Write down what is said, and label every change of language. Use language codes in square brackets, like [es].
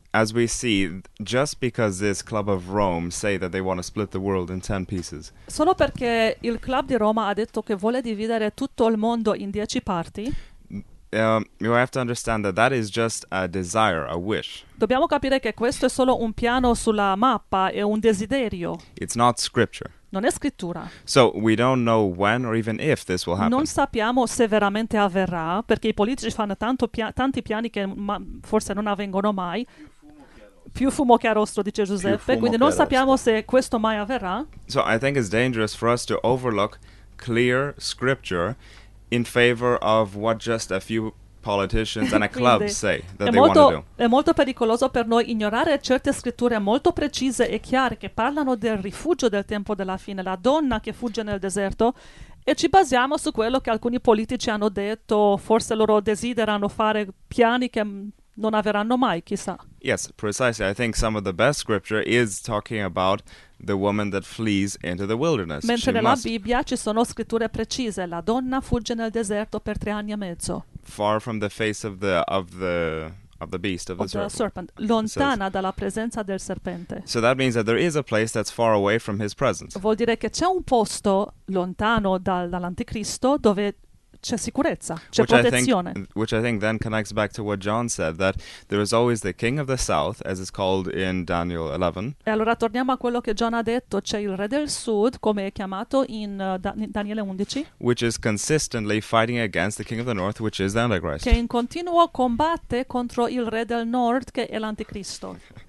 [en] As we see, just because this club of Rome say that they want to split the world in 10 pieces. [it] Solo perché il club di Roma ha detto che vuole dividere tutto il mondo in 10 parti. [en] You have to understand that that is just a desire, a wish. [it] Dobbiamo capire che questo è solo un piano sulla mappa, è un desiderio. [en] It's not scripture. [it] Non è scrittura. [en] So we don't know when or even if this will happen. [it] Non sappiamo se veramente avverrà, perché i politici fanno tanti piani che forse non avvengono mai. Più fumo che arrosto, dice Giuseppe, quindi non sappiamo se questo mai avverrà. [en] So I think it's dangerous for us to overlook clear scripture in favor of what just a few politicians and a club say that they want to do. [it] È molto pericoloso per noi ignorare certe scritture molto precise e chiare che parlano del rifugio del tempo della fine, la donna che fugge nel deserto, e ci basiamo su quello che alcuni politici hanno detto, forse loro desiderano fare piani che non avverranno mai, chissà. [en] Yes, precisely. I think some of the best scripture is talking about the woman that flees into the wilderness. [it] Mentre nella Bibbia ci sono scritture precise, la donna fugge nel deserto per 3 anni e mezzo. [en] Far from the face of the beast of the serpent. [it] Lontana dalla presenza del serpente. [en] So that means that there is a place that's far away from his presence. [it] Vuol dire che c'è un posto lontano dall'Anticristo dove c'è sicurezza, c'è protezione. [en] Which I think then connects back to what John said, that there is always the king of the south, as it's called in Daniel 11. [it] E allora torniamo a quello che John ha detto, c'è il re del sud, come è chiamato in Daniele 11. [en] Which is consistently fighting against the king of the north, which is the Antichrist. [it] Che in continuo combatte contro il re del nord, che è l'Anticristo.